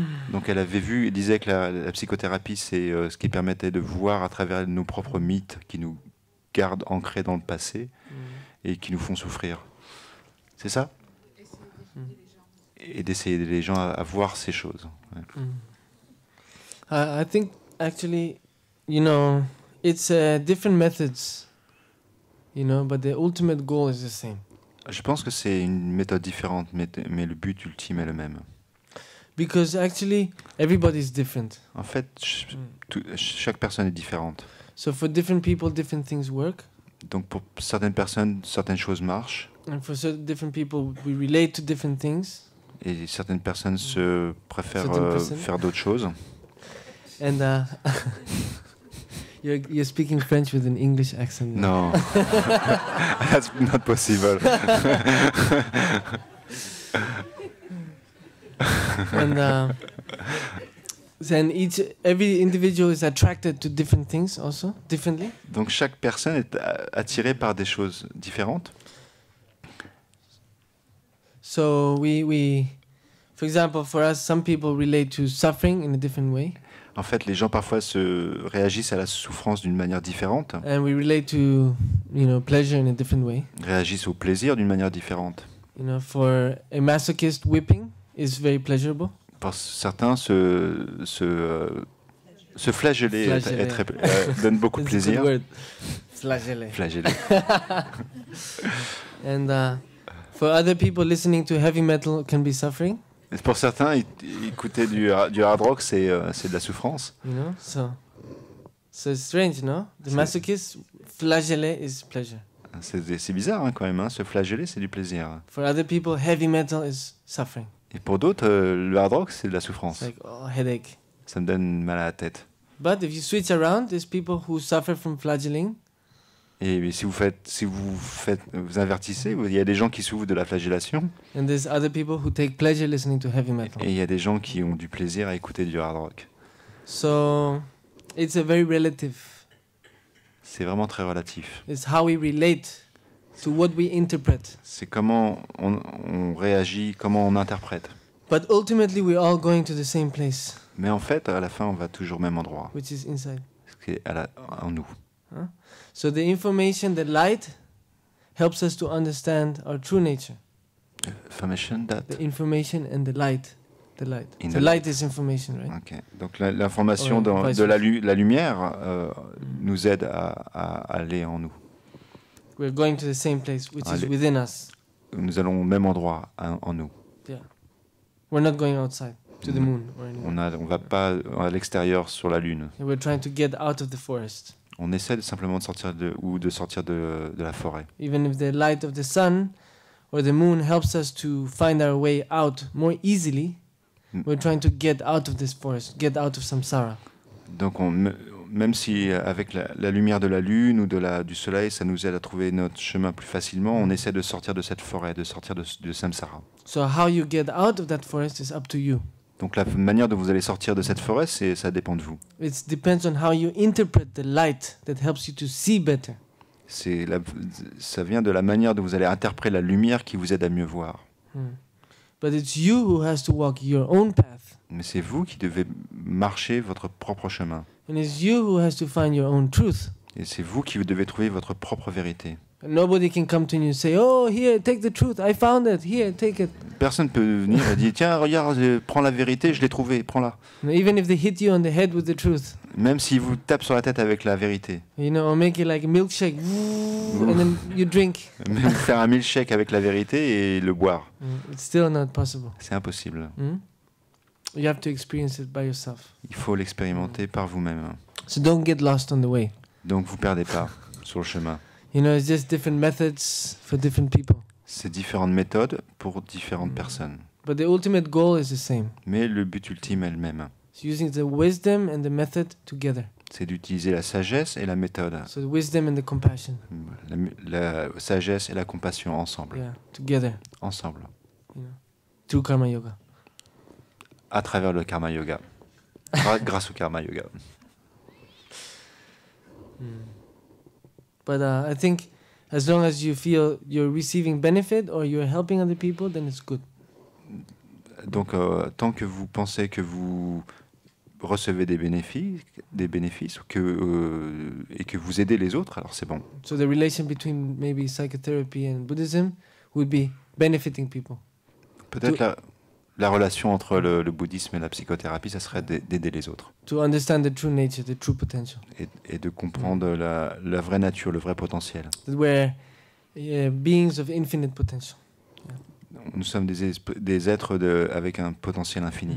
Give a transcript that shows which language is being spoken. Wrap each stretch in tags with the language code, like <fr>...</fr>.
<fr>Donc elle avait vu, elle disait que la psychothérapie, c'est ce qui permettait de voir à travers nos propres mythes qui nous gardent ancrés dans le passé et qui nous font souffrir. C'est ça ? Et d'essayer d'aider les gens à voir ces choses. Ouais.</fr> <en>I think actually, you know, it's different methods, you know, but the ultimate goal is the same.</en> <fr>Je pense que c'est une méthode différente, mais le but ultime est le même.</fr> <en>Because actually, everybody is different.</en> <fr>En fait, chaque personne est différente.</fr> <en>So for different people, different things work.</en> <fr>Donc pour certaines personnes, certaines choses marchent.</fr> <en>And for certain different people, we relate to different things. Et certaines personnes se préfèrent faire d'autres choses. And you're speaking French with an English accent. No, that's not possible. And then every individual is attracted to different things also, differently.</en> <fr>Donc chaque personne est attirée par des choses différentes.</fr> <en>So we, for example, for us, some people relate to suffering in a different way.</en> <fr>En fait, les gens parfois se réagissent à la souffrance d'une manière différente.</fr> <en>And we relate to, you know, pleasure in a different way.</en> <fr>Réagissent au plaisir d'une manière différente.</fr> <en>You know, for a masochist, whipping is very pleasurable.</en> <fr>Pour certains, se flageller donne beaucoup de plaisir.</fr> <en>A good word. Flageller.</en> <fr>Flageller.</fr> <en>And for other people, listening to heavy metal can be suffering.</en> <fr>Pour certains, écouter du hard rock, c'est de la souffrance.</fr> <en>You know, so it's strange, no? The masochist, flageller is pleasure.</en> <fr>C'est bizarre hein, quand même, hein. Se flageller, c'est du plaisir.</fr> <en>For other people, heavy metal is suffering.</en> <fr>Et pour d'autres, le hard rock, c'est de la souffrance.</fr> <en>It's like, oh, headache.</en> <fr>Ça me donne mal à la tête.</fr> <en>But if you switch around, there's people who suffer from flagelling.</en> <fr>Et si vous invertissez, il y a des gens qui souffrent de la flagellation.</fr> <en>And there's other people who take pleasure listening to heavy metal.</en> <fr>Et il y a des gens qui ont du plaisir à écouter du hard rock.</fr> <en>So, it's a very relative.</en> <fr>C'est vraiment très relatif.</fr> <en>It's how we relate to what we interpret.</en> <fr>C'est comment on réagit, comment on interprète.</fr> <en>But ultimately, we're all going to the same place.</en> <fr>Mais en fait, à la fin, on va toujours au même endroit.</fr> <en>Which is inside.</en> <fr>Ce qui est en nous.</fr> <en>So the information, the light, helps us to understand our true nature. Information that the information and the light. In the light is information, right? Okay.</en> <fr>Donc l'information de la lumière nous aide à aller en nous.</fr> <en>We're going to the same place, which is within us.</en> <fr>Nous allons au même endroit en nous.</fr> <en>Yeah. We're not going outside to the moon or anything.</en> <fr>On va pas à l'extérieur sur la lune.</fr> <en>And we're trying to get out of the forest.</en> <fr>On essaie simplement de sortir de la forêt.</fr> <en>Even if the light of the sun or the moon helps us to find our way out more easily, we're trying to get out of this forest, get out of samsara.</en> <fr>Donc même si avec la lumière de la lune ou du soleil, ça nous aide à trouver notre chemin plus facilement, on essaie de sortir de cette forêt, de sortir de samsara.</fr> <en>So how you get out of that forest is up to you.</en> <fr>Donc la manière dont vous allez sortir de cette forêt, ça dépend de vous.</fr> <en>It depends on how you interpret the light that helps you to see better.</en> <fr>Ça vient de la manière dont vous allez interpréter la lumière qui vous aide à mieux voir.</fr> <en>But it's you who has to walk your own path.</en> <fr>Mais c'est vous qui devez marcher votre propre chemin.</fr> <en>And it's you who has to find your own truth.</en> <fr>Et c'est vous qui devez trouver votre propre vérité.</fr> <en>Nobody can come to you and say, oh, here, take the truth, I found it, here, take it.</en> <fr>Personne peut venir et dire, tiens, regarde, prends la vérité, je l'ai trouvée, prends-la.</fr> <en>Even if they hit you on the head with the truth.</en> <fr>Même s'ils vous tapent sur la tête avec la vérité.</fr> <en>You know, or make it like a milkshake, and then you drink.</en> <fr>Même faire un milkshake avec la vérité et le boire.</fr> <en>It's still not possible.</en> <fr>C'est impossible.</fr> <en>You have to experience it by yourself.</en> <fr>Il faut l'expérimenter par vous-même.</fr> <en>So don't get lost on the way.</en> <fr>Donc vous perdez pas sur le chemin.</fr> <en>You know, it's just different methods for different people.</en> <fr>C'est différentes méthodes pour différentes personnes.</fr> <en>But the ultimate goal is the same.</en> <fr>Mais le but ultime est le même.</fr> <en>It's using the wisdom and the method together.</en> <fr>C'est d'utiliser la sagesse et la méthode.</fr> <en>So the wisdom and the compassion.</en> <fr>La sagesse et la compassion ensemble.</fr> <en>Yeah, together.</en> <fr>Ensemble.</fr> <en>You know, through karma yoga.</en> <fr>À travers le karma yoga. Grâce au karma yoga.</fr> <en>But I think as long as you feel you're receiving benefit or you're helping other people, then it's good.</en> <fr>Donc tant que vous pensez que vous recevez des bénéfices ou que et que vous aidez les autres, alors c'est bon.</fr> <en>So the relation between maybe psychotherapy and Buddhism would be benefiting people.</en> <fr>Peut-être la relation entre le bouddhisme et la psychothérapie, ça serait d'aider les autres.</fr> <en>To understand the true nature, the true potential.</en> <fr>Et de comprendre la vraie nature, le vrai potentiel.</fr> <en>That we're beings of infinite potential. Yeah.</en> <fr>Nous sommes des êtres avec un potentiel infini.</fr>